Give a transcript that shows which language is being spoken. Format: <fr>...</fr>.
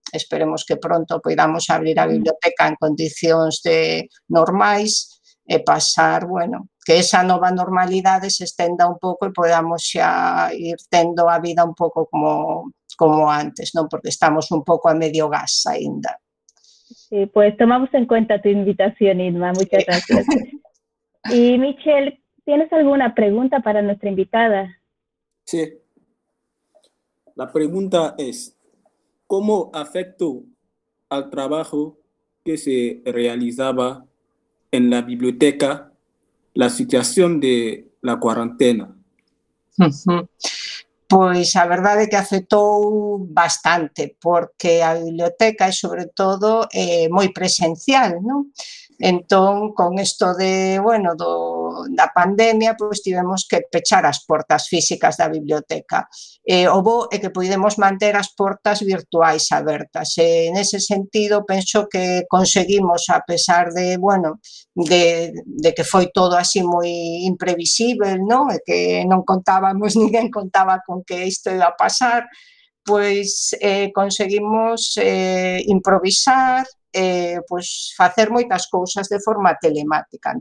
<gl>Esperemos que pronto poidamos abrir a biblioteca en condicións de normais e pasar, bueno, que esa nova normalidade se estenda un pouco e podamos xa ir tendo a vida un pouco como antes, non? Porque estamos un pouco a medio gas aínda.</gl> <es>Sí, pues tomamos en cuenta tu invitación, Irma. Muchas gracias. Y Michelle, ¿tienes alguna pregunta para nuestra invitada? Sí. La pregunta es, ¿cómo afectó al trabajo que se realizaba en la biblioteca la situación de la cuarentena?</es> <gl>Pois a verdade é que afectou bastante, porque a biblioteca é, sobre todo, moi presencial, non? Entón, con isto de, bueno, da pandemia, pois tivemos que pechar as portas físicas da biblioteca. O bo é que podemos manter as portas virtuais abertas.</gl> <es>En ese sentido,</es> <gl>penso que conseguimos, a pesar de, bueno, de que foi todo así moi imprevisível, ¿no? Que non contábamos, ninguén contaba con que isto iba a pasar, pois conseguimos improvisar, pues facer moitas cousas de forma telemática.</gl>